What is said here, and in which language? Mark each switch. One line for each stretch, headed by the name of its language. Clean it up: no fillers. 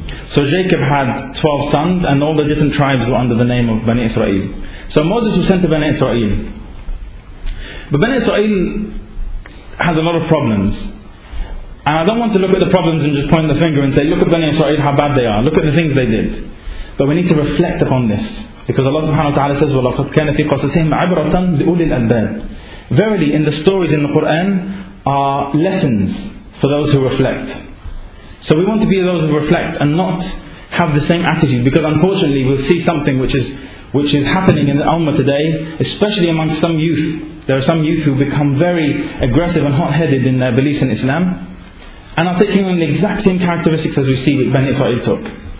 English: So Jacob had 12 sons, and all the different tribes were under the name of Bani Israel. So Moses was sent to Bani Israel. But Bani Israel had a lot of problems. And I don't want to look at the problems and just point the finger and say, look at Bani Israel, how bad they are. Look at the things they did. But we need to reflect upon this. Because Allah subhanahu wa ta'ala says,
Arabic: وَلَقَدْ كَانَ فِي قَصَصِهِمْ عِبْرَةً لِأُولِي الْأَلْبَابِ.
English: Verily, in the stories in the Qur'an, are lessons for those who reflect. So we want to be those who reflect and not have the same attitude. Because unfortunately, we'll see something which is happening in the Ummah today, especially amongst some youth. There are some youth who become very aggressive and hot-headed in their beliefs in Islam, and are taking on the exact same characteristics as we see with Bani Israel took.